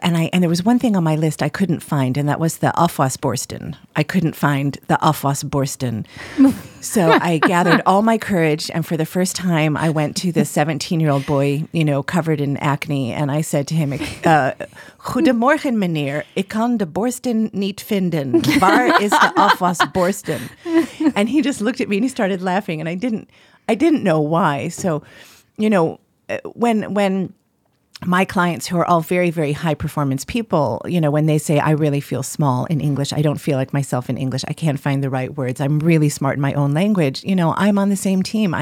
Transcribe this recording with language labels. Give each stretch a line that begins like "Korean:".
English: And there was one thing on my list I couldn't find, and that was the Afwasborsten. I couldn't find the Afwasborsten. So I gathered all my courage. And for the first time, I went to this 17-year-old boy, you know, covered in acne. And I said to him,
Dutch: Goedemorgen, meneer. Ik kan de borsten niet vinden. Waar is de Afwasborsten?
English: And he just looked at me and he started laughing. And I didn't know why. So, you know, when my clients who are all very, very high performance people, you know, when they say, I really feel small in English, I don't feel like myself in English, I can't find the right words, I'm really smart in my own language, you know, I'm on the same team.